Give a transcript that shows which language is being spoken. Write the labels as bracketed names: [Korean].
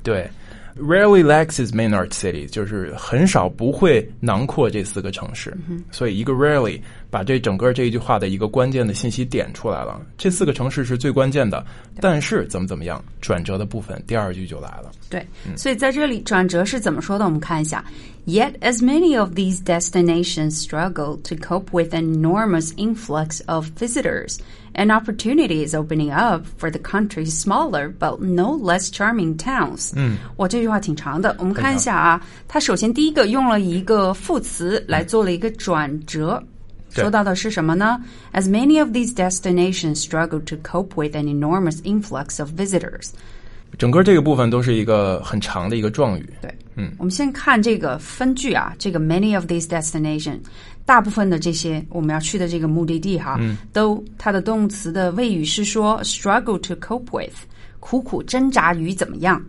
[Chinese] 对， [English] rarely lacks its main art cities [Chinese] 就是很少不会囊括这四个城市、所以一个 rarely 把这整个这一句话的一个关键的信息点出来了，这四个城市是最关键的，但是怎么怎么样，转折的部分第二句就来了。对，所以在这里转折是怎么说的，我们看一下。 [English] Yet as many of these destinations struggle to cope with an enormous influx of visitors, an opportunity is opening up for the country's smaller but no less charming towns. [Chinese] 哇，这句话挺长的，我们看一下啊。它首先第一个用了一个副词来做了一个转折，说到的是什么呢？ [English] As many of these destinations struggle to cope with an enormous influx of visitors. [Chinese] 整个这个部分都是一个很长的一个状语。对，嗯，我们先看这个分句啊，这个 [English] many of these destinations, [Chinese] 大部分的这些我们要去的这个目的地哈，嗯，都它的动词的谓语是说 [English] struggle to cope with, [Chinese] 苦苦挣扎于怎么样。